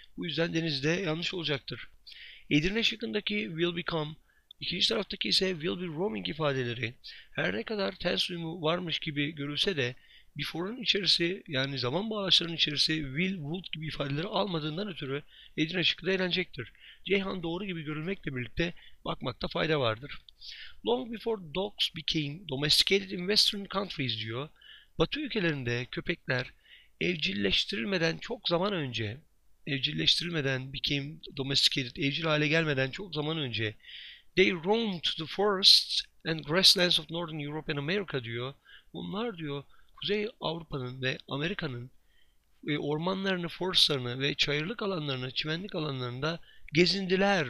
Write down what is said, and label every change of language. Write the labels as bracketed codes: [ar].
[tr] Bu yüzden Deniz'de yanlış olacaktır. Edirne şıkkındaki [en] will become, [tr] ikinci taraftaki ise [en] will be roaming [tr] ifadeleri. Her ne kadar ters uyumu varmış gibi görülse de before'un içerisi yani zaman bağlaçlarının içerisi [en] will, would [tr] gibi ifadeleri almadığından ötürü Edirne şıkkı da elenecektir. Ceyhan doğru gibi görülmekle birlikte bakmakta fayda vardır. [en] Long before dogs became domesticated in Western countries diyor. [tr] Batı ülkelerinde köpekler evcilleştirilmeden çok zaman önce, evcilleştirilmeden [en] became domesticated, [tr] evcil hale gelmeden çok zaman önce [en] they roamed the forests and grasslands of Northern Europe and America [tr] diyor. Bunlar diyor Kuzey Avrupa'nın ve Amerika'nın ormanlarını, forestlarını ve çayırlık alanlarını, çimenlik alanlarında gezindiler.